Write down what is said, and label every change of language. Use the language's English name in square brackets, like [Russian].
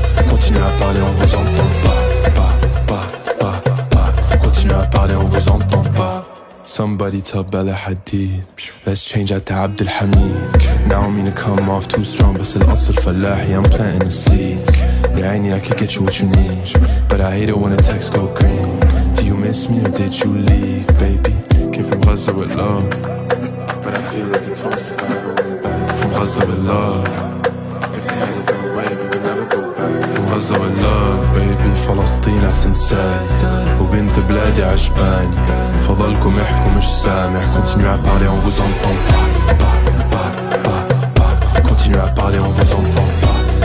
[French] Continue à parler, on vous entend pas. Continue à parler, on vous entend pas. [English] Somebody tell Bella Hadid, let's change out to Abdul Hamid. Now I'm gonna come off too strong, but still [Arabic] أصل فلاحي, [English] I'm planting the seeds. [Arabic] بعيني, [English] I can get you what you need, but I hate it when the texts go green. Do you miss me or did you leave, baby? Came from Gaza with love, but I feel like it's worse if I go back. From Gaza with love, if they had it their way, we would never go back. From Gaza with love, baby, [Arabic] فلسطين أحسن ساز وبنت بلادي عجباني. فضلكم احكوا مش سامع. [French] Continue à parler, on vous entend pas. Continue à parler, on vous entend pas.